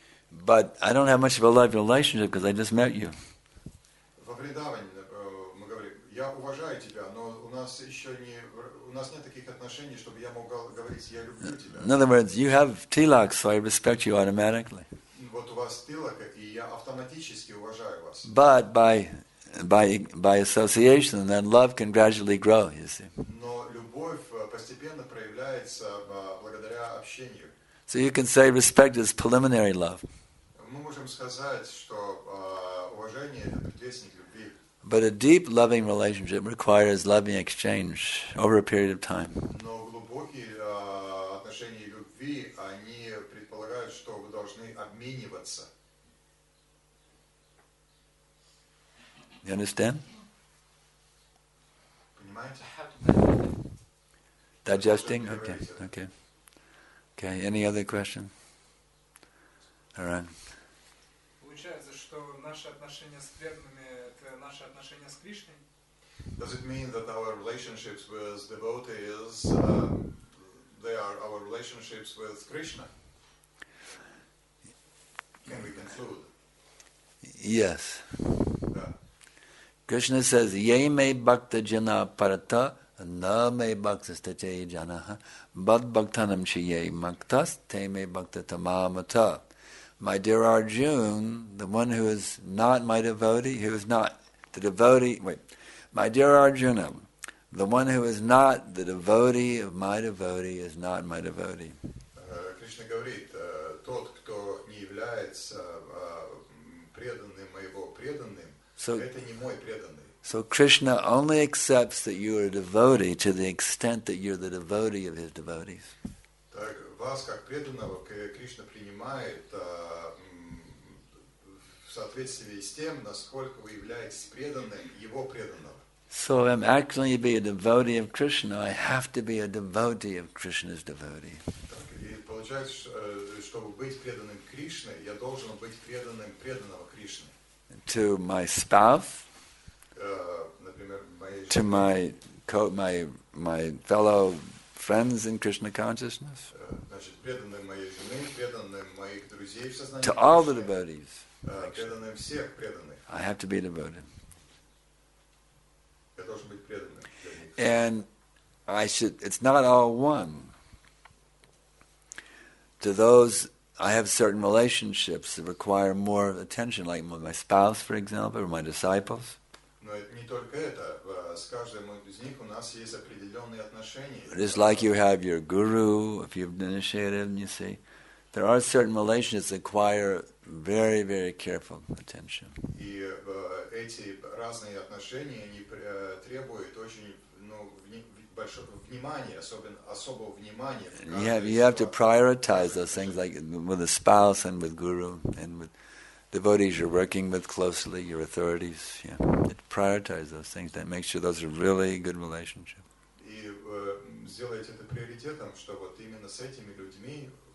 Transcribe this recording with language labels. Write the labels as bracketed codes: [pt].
[en] But I don't have much of a love relationship because I just met you. [ru] Во Вриндаване мы говорим, я уважаю тебя, но у нас еще не... У нас нет таких отношений, чтобы я мог говорить, я люблю тебя. [en] In other words, you have tilak, so I respect you automatically. [ru] Вот у вас тилак, и я автоматически уважаю вас. [en] But by association, that love can gradually grow, you see. [ru] Но любовь постепенно проявляется благодаря общению. [en] So you can say respect is preliminary love. [ru] Мы можем сказать, что уважение это предвестник. [en] But a deep loving relationship requires loving exchange over a period of time. [ru] Но глубокие отношения любви, они предполагают, что вы должны обмениваться. [en] You understand? [ru] Понимаете? [en] Digesting? Okay. Okay, any other question? All right. [ru] Получается, что наши отношения с преданными наши отношения с Кришной. [en] Does it mean that our relationships with devotees they are our relationships with Krishna? Can we conclude? Yes. Yeah. Krishna says, [sa] "Ye me bhakta jana parata na me bhaktastate janaha bad bhaktanam chi ye maktas te me bhakta tamamata." [en] My dear Arjuna, the one who is not my devotee, who is not the devotee, wait, my dear Arjuna, the one who is not the devotee of my devotee is not my devotee. [ru] Krishna говорит, тот, кто не является преданным моего преданным, это не мой преданный. [en] So Krishna only accepts that you are a devotee to the extent that you're the devotee of his devotees. [ru] Так, вас как преданного Кришна принимает в соответствии с тем, насколько вы являетесь преданным его преданного. [en] So if I'm actually be a devotee of Krishna, I have to be a devotee of Krishna's devotee. [ru] Так, и получается, чтобы быть преданным Кришне, я должен быть преданным преданного Кришны. [en] To my spouse, [ru] например, [en] to my fellow friends in Krishna consciousness. [ru] Значит, преданным моей жене, преданным моих друзей в сознании. [en] To all the devotees. Actually, I have to be devoted. [ru] Я должен быть преданным. [en] And I should, it's not all one. To those, I have certain relationships that require more attention, like with my spouse, for example, or my disciples. [ru] Но это не только это. С каждым из них у нас есть определенные отношения. [en] It's like you have your guru, if you've been initiated, you see. There are certain relationships that require very, very careful attention. [ru] И эти разные отношения они требуют очень, ну, большого внимания, особого внимания. [en] You have to prioritize those things, like with a spouse and with guru and with devotees you're working with closely, your authorities. Yeah, you prioritize those things. That makes sure those are really good relationships. [ru] И сделайте это приоритетом, что вот именно с этими людьми.